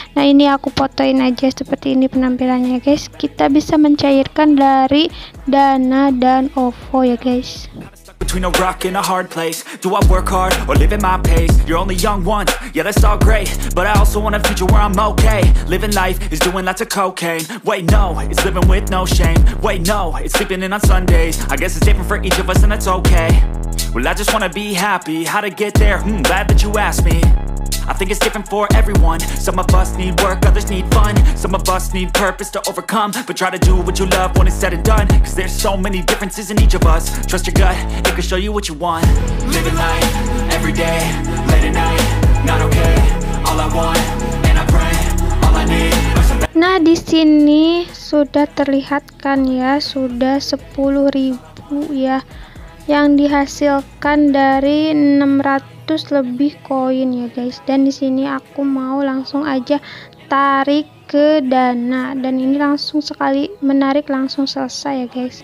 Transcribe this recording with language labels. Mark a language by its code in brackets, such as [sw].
[id] Nah, ini aku fotoin aja seperti ini penampilannya guys. Kita bisa mencairkan dari Dana dan OVO ya guys. [en] Between a rock and a hard place, do I work hard or live at my pace? You're only young once, yeah that's all great, but I also want a future where I'm okay. Living life is doing lots of cocaine. Wait no, it's living with no shame. Wait no, it's sleeping in on Sundays. I guess it's different for each of us and it's okay. Well, I just wanna be happy. How to get there? Glad that you asked me. I think it's different for everyone. Some of us need work, others need fun. Some of us need purpose to overcome. But try to do what you love when it's said and done. 'Cause there's so many differences in each of us. Trust your gut, it can show you what you want. Living life, every day, late at night, not okay. All I want, and I pray, all I need. [id] Nah, di sini sudah terlihat kan ya, sudah 10.000 ya yang dihasilkan dari 600 lebih koin ya guys. Dan di sini aku mau langsung aja tarik ke Dana, dan ini langsung sekali menarik langsung selesai ya guys.